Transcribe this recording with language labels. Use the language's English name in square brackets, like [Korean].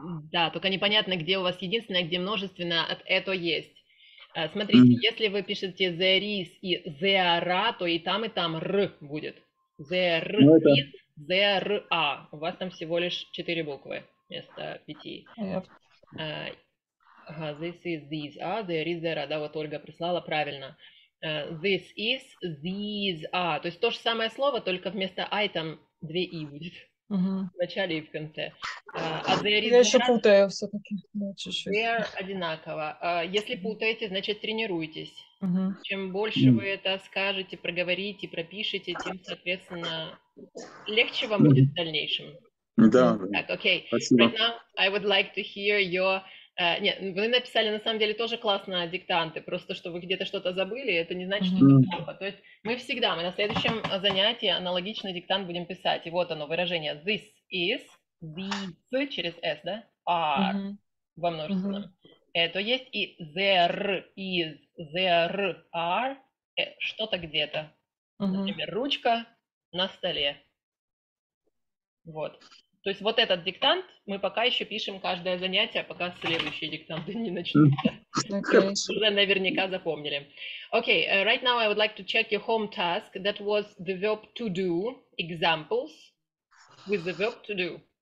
[Russian] Да, только непонятно, где у вас единственное, где множественное, от это есть. Смотрите, если вы пишете [English] there is [Russian] и [English] there, [Russian] то и там r будет. [English] There is, there are. [Russian] У вас там всего лишь 4 буквы вместо 5. [English] This is, these are, there is, there are. [Russian] Да, вот Ольга прислала правильно. [English] This is, these are. [Russian] То есть то же самое слово, только вместо I там 2 i будет. В начале и в конце. Я еще путаю все-таки. Да, чуть-чуть. [English] They're [Russian] одинаково. Если путаете, значит тренируйтесь. Чем больше вы это скажете, проговорите, пропишете, тем, соответственно, легче вам будет в дальнейшем. Да. Так, окей. Спасибо. [English] Right now, I would like to hear your... [Russian] нет, вы написали, на самом деле, тоже классно диктанты, просто что вы где-то что-то забыли, это не значит, что это плохо. То есть мы всегда, мы на следующем занятии аналогичный диктант будем писать. И вот оно, выражение [English] this is, these [Russian] через s, да, [English] are [Russian] во множественном. Это есть и [English] there is, there are, [Russian] что-то где-то. Например, ручка на столе. Вот. То есть вот этот диктант мы пока еще пишем каждое занятие, пока следующие диктанты не начнутся. Уже наверняка запомнили. [English] Okay, right now I would like to check your home task. That was the verb to do examples with the verb to do.